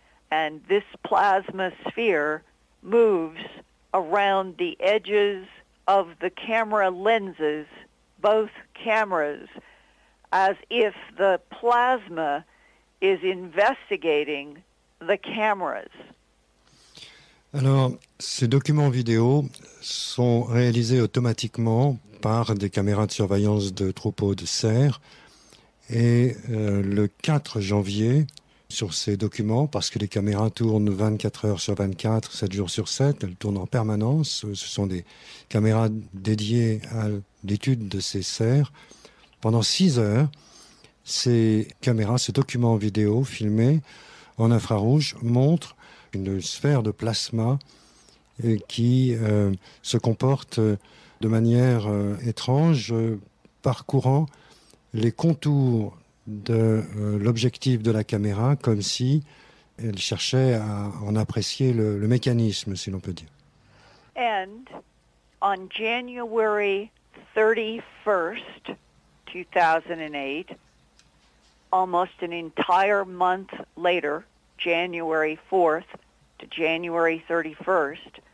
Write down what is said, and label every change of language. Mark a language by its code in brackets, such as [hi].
[en] And this plasma sphere moves around the edges of the camera lenses, both cameras, as if the plasma is investigating the cameras. [fr] Alors, ces documents vidéo sont réalisés automatiquement par des caméras de surveillance de troupeaux de cerfs. Et le 4 janvier, sur ces documents, parce que les caméras tournent 24 heures sur 24, 7 jours sur 7, elles tournent en permanence, ce sont des caméras dédiées à l'étude de ces cerfs. Pendant 6 heures, ces caméras, ce document vidéo filmé en infrarouge montre une sphère de plasma qui se comporte de manière étrange, parcourant les contours de l'objectif de la caméra, comme si elle cherchait à en apprécier le mécanisme, si l'on peut dire. [en] And on January 31st, 2008, almost an entire month later, January 4th, January 31st,